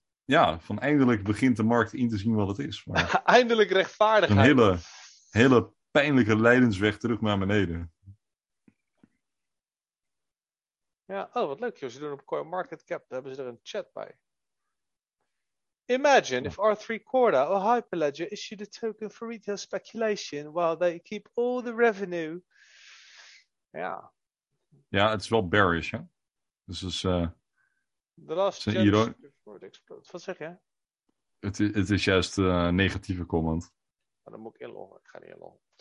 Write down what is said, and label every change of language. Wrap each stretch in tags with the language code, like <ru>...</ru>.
<nl>Ja, van eindelijk begint de markt in te zien wat het is. Maar eindelijk rechtvaardigheid. Een hele, hele pijnlijke lijdensweg terug naar beneden. Ja, oh, wat leuk. Ze doen op CoinMarketCap, daar hebben ze er een chat bij.</nl> <en>Imagine if R3 Corda or Hyperledger issued a token for retail speculation while they keep all the revenue.</en> <nl>Ja. Ja, het is wel bearish, hè? Dus is de laatste chance voor het explode. Wat zeg je? Het is juist een negatieve comment. Maar dan moet ik inloggen. Ik ga niet inloggen.</nl>